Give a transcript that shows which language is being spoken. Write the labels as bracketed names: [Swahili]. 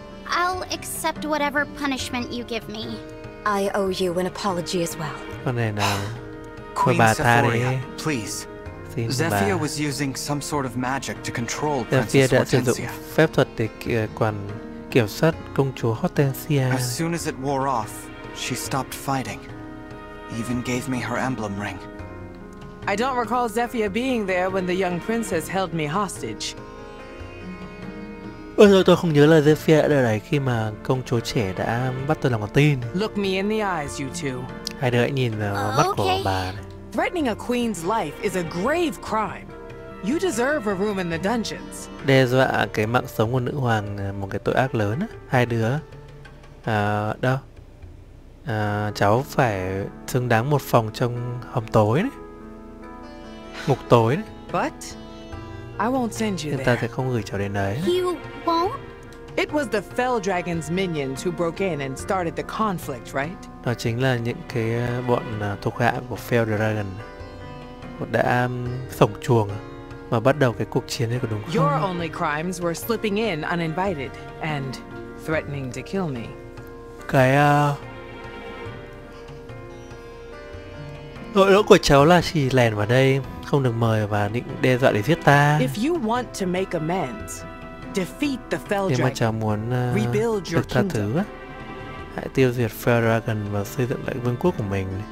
[English] I'll accept whatever punishment you give me. I owe you an apology as well. [Vietnamese] Con này là [English] Queen [Vietnamese] bà [English] Sephoria, please. Zephyr was using some sort of magic to control Princess Hortensia. [Vietnamese] Phép thuật để kiểm soát công chúa Hortensia. [English] As soon as it wore off, she stopped fighting. Even gave me her emblem ring. I don't recall Zephia being there when the young princess held me hostage. [Vietnamese] Ôi trời, tôi không nhớ là Zephia đã ở đây khi mà công chúa trẻ đã bắt tôi làm con tin. [English] Look me in the eyes, you two. [Vietnamese] Hai đứa hãy nhìn vào mắt của bà. [English] Threatening a queen's life is a grave crime. You deserve a room in the dungeons. [Vietnamese] Đe dọa cái mạng sống của nữ hoàng một cái tội ác lớn á. Hai đứa đâu? Cháu phải xứng đáng một phòng trong hầm tối đấy. Ngục tối đấy. [English] But I won't send you there. [Vietnamese] Ta sẽ không gửi cháu đến đấy. [English] You won't? It was the Fell Dragon's minions who broke in and started the conflict, right? [Vietnamese] Đó chính là những cái bọn thuộc hạ của Fell Dragon đã sổng chuồng mà bắt đầu cái cuộc chiến ấy, có đúng không? [English] Your only crimes were slipping in uninvited and threatening to kill me. [Vietnamese] Cái tội lỗi của cháu là chỉ lèn vào đây, không được mời và định đe dọa để giết ta. [English] If you want to make amends, defeat the Fell Dragon. [Vietnamese] Nếu mà cháu muốn được tha thứ, hãy tiêu diệt Fell Dragon và xây dựng lại vương quốc của mình.